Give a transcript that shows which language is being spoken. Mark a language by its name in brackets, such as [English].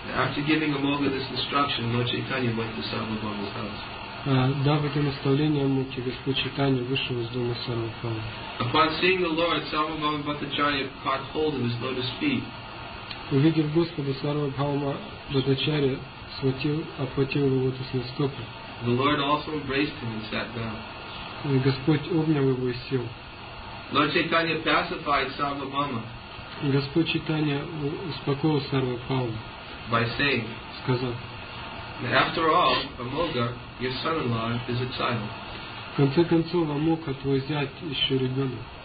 [English] After giving Amoga this instruction, Lord Chaitanya went to Sarvabhauma's house. [Russian] Дав это наставление Амоке, Господь Чайтанья вышел из дома Сарвабхаумы. [English] Upon seeing the Lord, Sarvabhauma Bhattacharya caught hold of his lotus feet. [Russian] Увидев Господа, Сарвабхаума Бхаттачарья охватил его лотосные стопы. [English] The Lord also embraced him and sat down. [Russian] И Господь обнял его и сел. [English] Lord Chaitanya pacified Sarvabhauma. [Russian] Господь Чайтанья успокоил Сарвабхаума. [English] By saying, [Russian] сказал, [English] after all, Amoga, your son-in-law, is a child. [Russian] В конце концов, Амока, твой зять, еще ребенок.